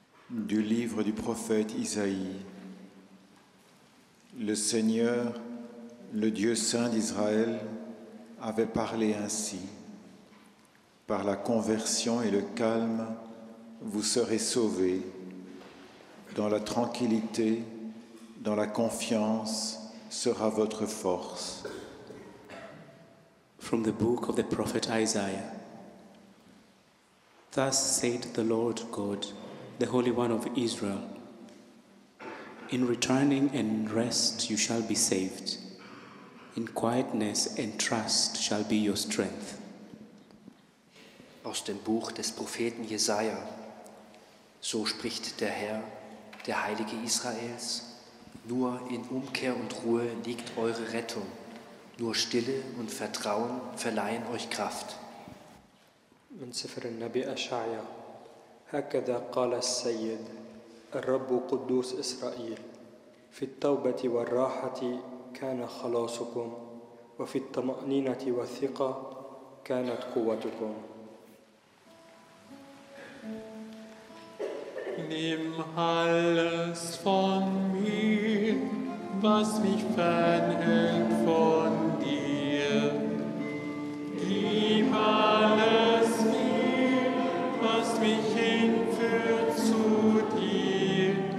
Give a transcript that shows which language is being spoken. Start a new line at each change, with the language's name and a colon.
French: Du livre du prophète Isaïe. Le Seigneur, le Dieu saint d'Israël, avait parlé ainsi. Par la conversion et le calme, vous serez sauvés. dans la tranquillité, dans la confiance, sera votre force.
English: From the book of the prophet Isaiah. Thus said the Lord God, the Holy One of Israel, in returning and rest you shall be saved, in quietness and trust shall be your strength.
German: Aus dem Buch des Propheten Jesaja. So spricht der Herr, der Heilige Israels, nur in Umkehr und Ruhe liegt eure Rettung, nur Stille und Vertrauen verleihen euch Kraft.
Arabic: من سفر النبي أشعيا هكذا قال السيد الرب قدوس إسرائيل في التوبة والراحة كان خلاصكم وفي الطمأنينة والثقة كانت قوتكم
German: Nimm alles von mir, was mich fernhält von dir. Gib alles mir, was mich hinführt zu dir.